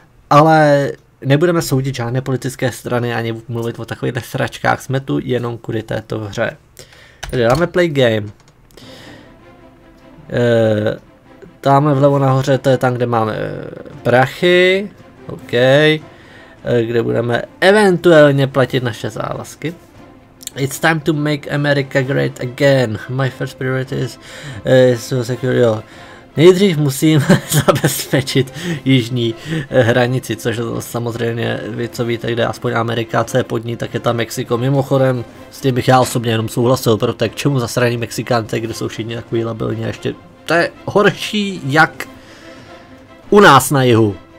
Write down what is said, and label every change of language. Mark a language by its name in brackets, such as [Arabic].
[Czech] Ale nebudeme soudit žádné politické strany ani mluvit o takovýchto sračkách, jsme tu jenom kvůli této hře. Tady dáme [English] play game. [Czech] Tamhle vlevo nahoře to je tam, kde máme prachy. OK. Kde budeme eventuálně platit naše závazky. [English] It's time to make America great again. My first priority is to secure you. [Czech] Nejdřív musím zabezpečit jižní hranici, což samozřejmě vy co víte, kde aspoň Amerika, co je pod ní, tak je tam Mexiko. Mimochodem, s tím bych já osobně jenom souhlasil, protože k čemu zasraní Mexikánce, kde jsou všichni takový labilní a ještě to je horší jak u nás na jihu.